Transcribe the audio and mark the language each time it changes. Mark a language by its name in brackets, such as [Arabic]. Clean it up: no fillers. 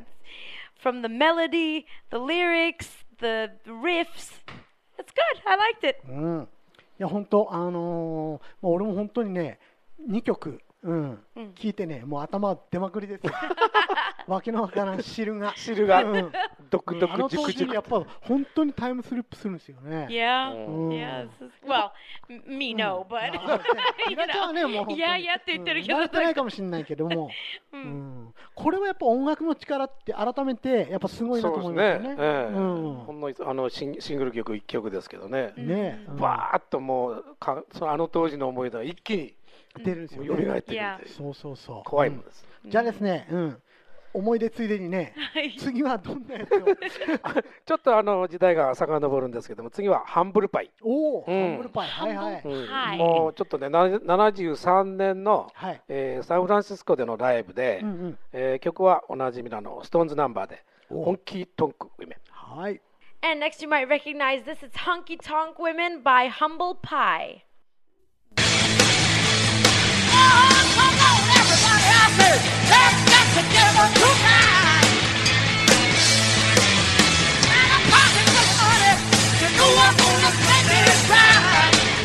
[English] it's from the melody, the lyrics, the riffs. It's good. I liked it.、 [Japanese] うん、いや本当、俺も本当にね2曲うん、聞いてね、もう頭出まくりですよ。訳のわからん汁が。汁が。うん、ドクドクジクジク。やっぱ本当にタイムスリップするんですよね。 [English] Yeah,、うん、yes. Well, me no, but. You know. [Japanese] はね、もう [English] yeah, yeah, [Japanese] って言ってるけど。慣れてないかもしれないけども。うん、うん。これはやっぱ音楽の力って改めてやっぱすごいなと思いますよね。そうですね。ええ、うん。ほんのシングル曲1曲ですけどね。ね、うん。バーッともうかそのあの当時の思い出が一気に。出るんですよ、ね。蘇ってる。そうそうそう。怖いもんです。うん、じゃあですね、うん、思い出ついでにね、次はどんなやつを。ちょっとあの時代が遡るんですけども、次はハンブルパイ。おお、うん。ハンブルパイ。はいはい。うん、もうちょっとね、73年の、はい、サンフランシスコでのライブで、うんうん、曲はおなじみのストーンズナンバーで、ホンキートンクウィメン。はい。 [English] And next you might recognize this is Honky Tonk Women by Humble Pie. Let's get together tonight. Got a pocket full of money to go up on a plenty ride.